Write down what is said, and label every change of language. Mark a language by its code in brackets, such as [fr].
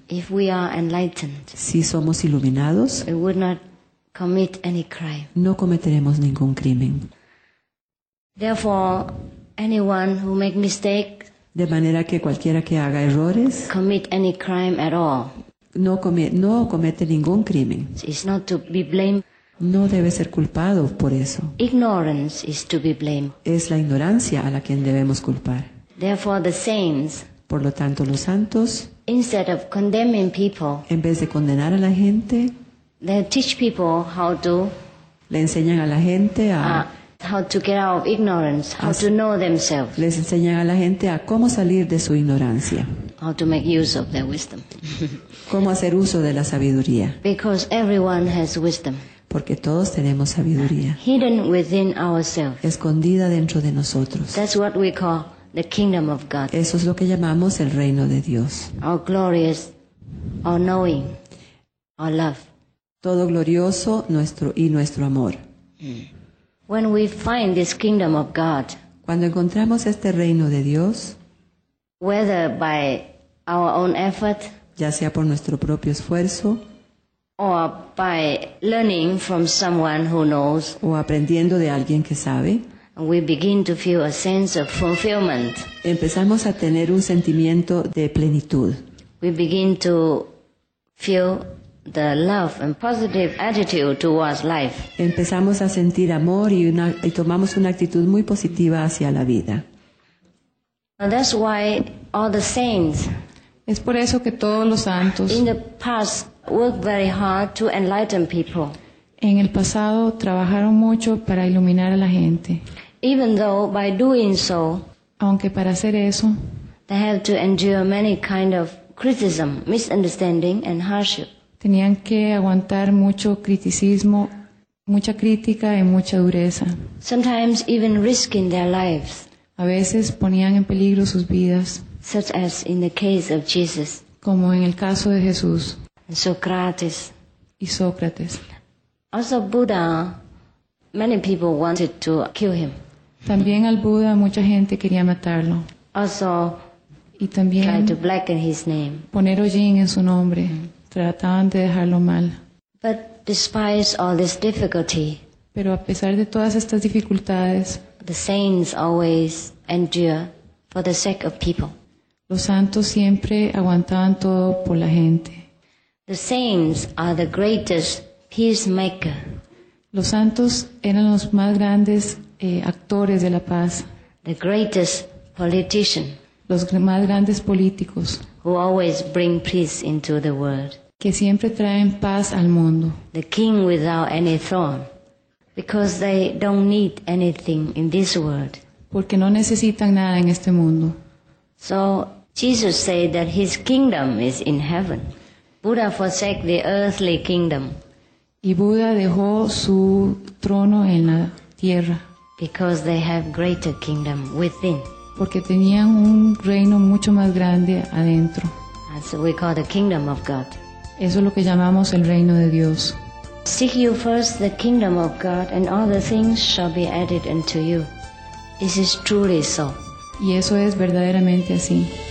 [en] if we are enlightened, [es] si somos iluminados, [en] we would not commit any crime. [es] No cometeremos ningún crimen. [en] Therefore, anyone who makes mistakes, [es] de manera que cualquiera que haga errores, [en] commit any crime at all, [es] no comete ningún crimen. [en] It's not to be blamed. [es] No debe ser culpado por eso. [en] Ignorance is to be blamed. [es] Es la ignorancia a la quien debemos culpar. [en] Therefore, the saints, [es] por lo tanto, los santos, [en] instead of condemning people, [es] en vez de condenar a la gente, [en] they teach people how to, [es] le enseñan a la gente a [en] how to get out of ignorance, how to know themselves. [es] Les enseñan a la gente a cómo salir de su ignorancia. [en] How to make use of their wisdom. [es] Cómo hacer uso de la sabiduría. [en] Because everyone has wisdom. [es] Porque todos tenemos sabiduría. [en] Hidden within ourselves. [es] Escondida dentro de nosotros. [en] That's what we call the kingdom of God. [es] Eso es lo que llamamos el reino de Dios. [en] Our glorious, our knowing, our love. [es] Todo glorioso nuestro y nuestro amor. [en] When we find this kingdom of God, [es] cuando encontramos este reino de Dios, [en] whether by our own effort, [es] ya sea por nuestro propio esfuerzo, [en] or by learning from someone who knows, [es] o aprendiendo de alguien que sabe, [en] we begin to feel a sense of fulfillment. [es] Empezamos a tener un sentimiento de plenitud. [en] We begin to feel the love and positive attitude towards life. [es] Empezamos a sentir amor y tomamos una actitud muy positiva hacia la vida. [en] And that's why all the saints, [es] es por eso que todos los santos, [en] in the past, work very hard to enlighten people. [es] En el pasado trabajaron mucho para iluminar a la gente. [en] Even though by doing so, [es] aunque para hacer eso, [en] they had to endure many kind of criticism, misunderstanding, and hardship. [es] Tenían que aguantar mucho criticismo, mucha crítica y mucha dureza. [en] Sometimes even risking their lives. [es] A veces ponían en peligro sus vidas. [en] Such as in the case of Jesus. [es] Como en el caso de Jesús. [en] Socrates. [es] Y Sócrates. [en] Also Buddha, many people wanted to kill him. [es] También al Buda mucha gente quería matarlo. [en] Also, [es] y también [en] tried to blacken his name. [es] Poner hollín en su nombre. Trataban de dejarlo mal. [en] But despite all this difficulty, [es] pero a pesar de todas estas dificultades, [en] the saints always endure for the sake of people. [es] Los santos siempre aguantaban todo por la gente. [en] The saints are the greatest peacemaker. [es] Los santos eran los más grandes actores de la paz. [en] The greatest politician. [es] Los más grandes políticos. [en] Who always bring peace into the world. [es] Que siempre traen paz al mundo. [en] The king without any throne. Because they don't need anything in this world. [es] Porque no necesitan nada en este mundo. [en] So Jesus said that his kingdom is in heaven. Buddha forsake the earthly kingdom. [es] Y Buda dejó su trono en la tierra. [en] Because they have greater kingdom within. [es] Porque tenían un reino mucho más grande adentro. [en] That's what we call the kingdom of God. [es] Eso es lo que llamamos el reino de Dios. [en] Seek you first the kingdom of God, and all the things shall be added unto you. This is truly so. [es] Y eso es verdaderamente así.